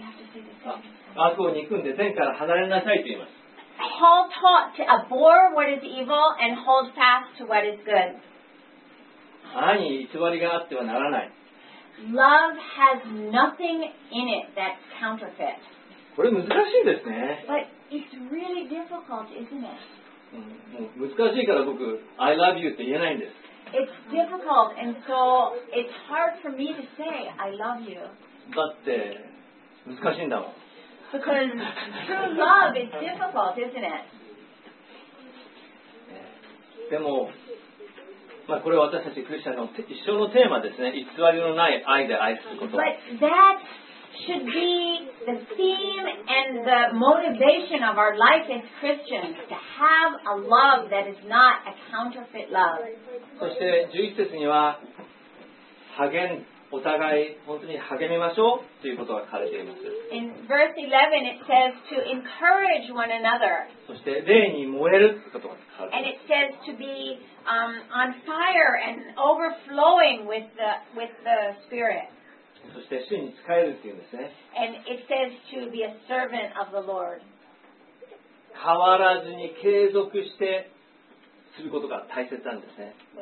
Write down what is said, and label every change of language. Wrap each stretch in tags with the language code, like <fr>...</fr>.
<en>what is evil.</en> <ja>悪を憎んで善から離れなさいと言います。</ja> <en>Paul taught to abhor what is evil and hold fast to what is good.</en> <ja>愛に偽りがあってはならない。</ja> <en>Love has nothing in it that's counterfeit.</en> <ja>これ難しいですね。</ja> <en>But it's really difficult, isn't it?</en> <ja>難しいから僕、</ja> <en>I love you</en> <ja>って言えないんです。</ja> <en>It's difficult, and so it's hard for me to say I love you.</en> <ja>だって難しいんだもん。</ja> <en>Because true love is difficult, isn't it?</en> <ja>でも、まあ、これは私たちクリスチャンの一生のテーマですね。偽りのない愛で愛すること。</ja> <en>But that should be the theme and the motivation of our life as Christians, to have a love that is not a counterfeit love.</en> <ja>そして11節には、励んお互い本当に励みましょうということが書かれています。</ja> <en>In verse 11, it says to encourage one another.</en> <ja>そして霊に燃えるということが書かれています。</ja> <en>And it says to be on fire and overflowing with the Spirit.</en> <ja>そして主に仕えるというんですね。</ja> <en>And it says to be a servant of the Lord.</en> <ja>変わらずに継続してすることが大切なんですね。</ja>